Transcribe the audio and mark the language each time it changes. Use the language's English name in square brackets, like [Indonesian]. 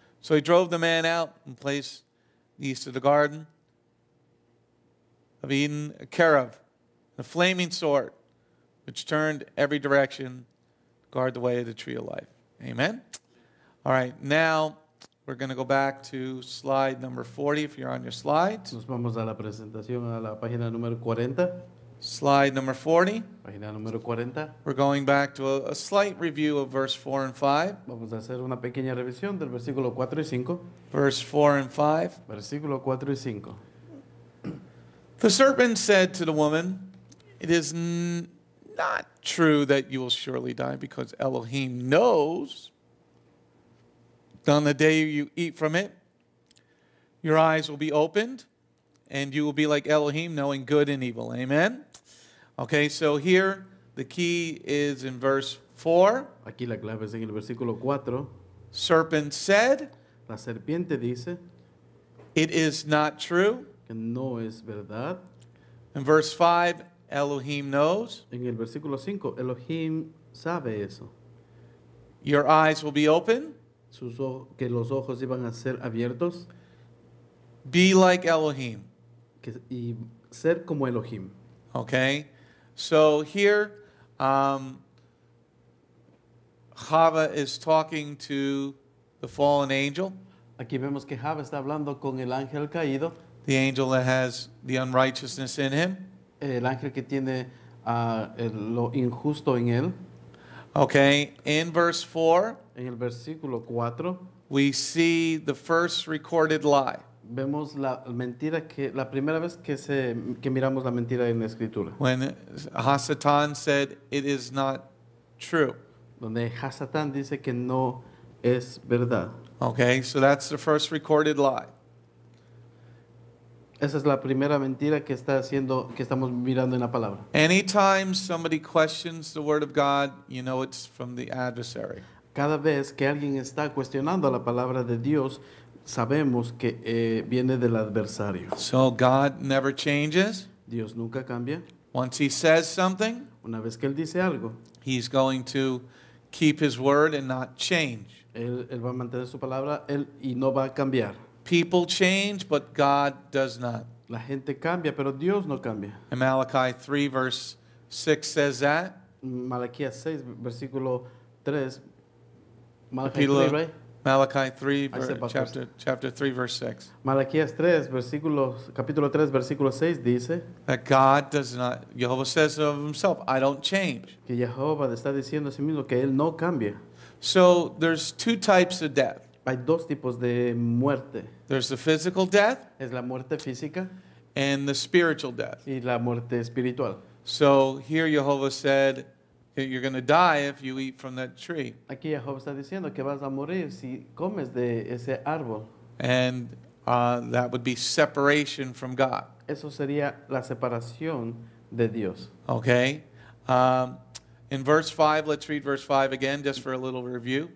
[English] So he drove the man out and placed the east of the garden of Eden, a cherub, a flaming sword, which turned every direction to guard the way of the tree of life." Amen. All right, now we're going to go back to slide number 40, if you're on your slides. [Spanish] Nos vamos a la presentación, a la página número 40. [English] Slide number 40. [Spanish] Página número 40. [English] We're going back to a slight review of verse 4 and 5. [Spanish] Vamos a hacer una pequeña revisión del versículo 4 y 5. [English] Verse 4 and 5. [Spanish] Versículo 4 y 5. [English] The serpent said to the woman, "It is not true that you will surely die, because Elohim knows on the day you eat from it, your eyes will be opened, and you will be like Elohim, knowing good and evil." Amen. Okay, so here the key is in verse 4. [Spanish] Aquí la clave es en el versículo 4. [English] Serpent said, [Spanish] la serpiente dice, [English] "It is not true." [Spanish] Que no es verdad. [English] In verse 5, Elohim knows. [Spanish] En el versículo 5, Elohim sabe eso. [English] Your eyes will be open. [Spanish] Sus que los ojos iban a ser abiertos. [English] Be like Elohim. [Spanish] Y ser como Elohim. [English] Okay. So here, Hava is talking to the fallen angel. [Spanish] Aquí vemos que Hava está hablando con el ángel caído. [English] The angel that has the unrighteousness in him. [Spanish] El ángel que tiene lo injusto en él. [English] Okay, in verse 4. [Spanish] En el versículo 4. [English] We see the first recorded lie. [Spanish] Vemos la mentira que la primera vez que se que miramos la mentira en la escritura. [English] When Hasatan said it is not true. [Spanish] Donde Hasatan dice que no es verdad. [English] Okay, so that's the first recorded lie. [Spanish] Esa es la primera mentira que está haciendo que estamos mirando en la palabra. [English] Anytime somebody questions the word of God, you know it's from the adversary. [Spanish] Cada vez que alguien está cuestionando la palabra de Dios, sabemos que viene del adversario. [English] So God never changes. [Spanish] Dios nunca cambia. [English] Once he says something, [Spanish] una vez que él dice algo, [English] he's going to keep his word and not change. [Spanish] Él va a mantener su palabra, él y no va a cambiar. [English] People change, but God does not. [Spanish] La gente cambia, pero Dios no cambia. [English] And Malachi 3 verse 6 says that. [Spanish] Malaquías 6 versículo 3. [English] Malachi 3 chapter 3 verse 6. [Spanish] Malaquías 3 versículo capítulo 3 versículo 6 dice [English] that God does not, Jehovah says of himself, I don't change. [Spanish] Que Jehovah está diciendo a sí mismo que él no cambia. [English] So there's two types of death. [Spanish] Hay dos tipos de muerte. [English] There's the physical death, [Spanish] es la muerte física, [English] and the spiritual death, [Spanish] y la muerte espiritual. [English] So here Jehovah said, You're going to die if you eat from that tree. [Spanish] Aquí Jehová está diciendo que vas a morir si comes de ese árbol. [English] And that would be separation from God. [Spanish] Eso sería la separación de Dios. [English] Okay. In verse 5, let's read verse 5 again just for a little review.